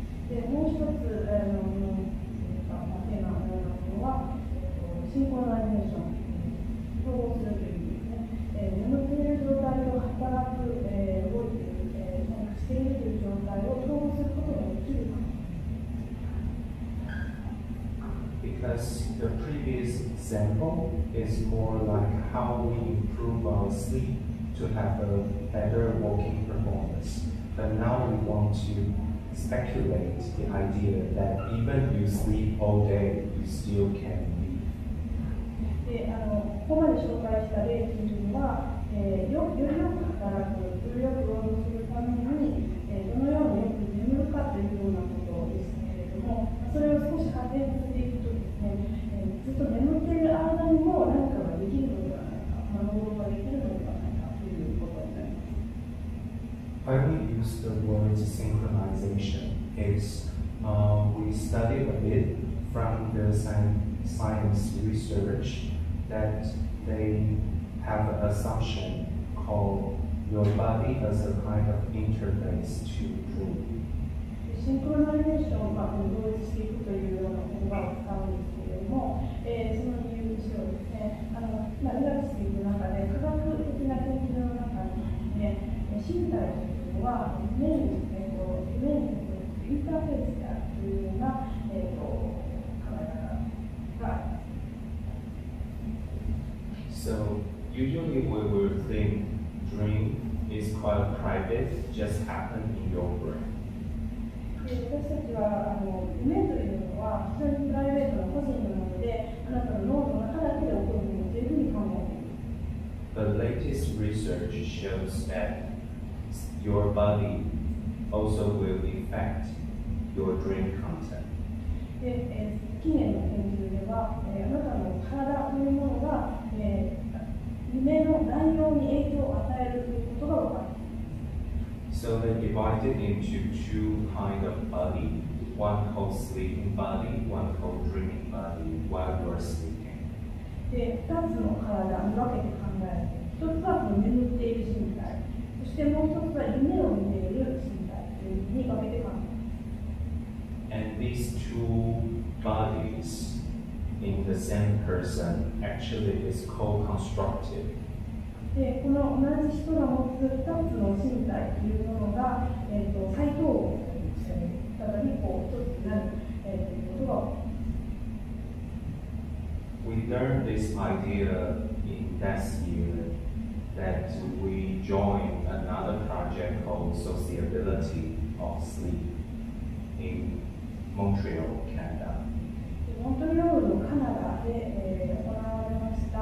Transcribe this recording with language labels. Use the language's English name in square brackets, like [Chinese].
[Japanese] で、もう一つ、テーマのものは、シンクロナイゼーション、統合するという意味ですね。眠っている状態と働く、動いている、しているという状態を統合することができるか。 [English] Because the previous example is more like how we improve our sleep to have a better walking performance. But now we want to speculate the idea that even you sleep all day, you still can move. [Japanese] ここまで紹介した例というのは、より良く働く、より良く労働するために、どのように眠るかというようなことですけれども、それを少し仮定させていくと、ずっと眠っている間にも何かができるのではないか、学ぶことができるのではないかということになります。 [English] When we use the word synchronization, it's we study a bit from the science research that they have an assumption called your body as a kind of interface to improve. [Japanese] シンクロナイゼーションを同一していくというような言葉を使うんですけれども、その理由としてはですね、今、理学していく中で、科学的な研究の中にですね、身体というのは、メインのインターフェースであるというような、考え方が。 [English] So, usually we will think dream is quite private, just happen in your brain. [Japanese] 私たちは夢というのは非常にプライベートな個人のもので、あなたの脳の中だけで起こるものというふうに考えています。 [English] The latest research shows that your body also will affect your dream content. [Japanese] 近年の研究では、あなたの体というものが、夢の内容に影響を与えるということが分かる。 [English] So they divided into two kind of body, one called sleeping body, one called dreaming body, while you are sleeping. [Japanese] で、2つの体を分けて考えると、1つは眠っている身体、そしてもう1つは夢を見ている身体というふうに分けて考えます。 [English] And these two bodies in the same person actually is co-constructive. [Japanese] で、この同じ人が持つ2つの身体というものが、再統合するんですよね。再びこう1つになる、ということが [English] We learned this idea in this year that we join another project called Sociability of Sleep in Montreal, Canada. [Japanese] モントリオールのカナダで、行われました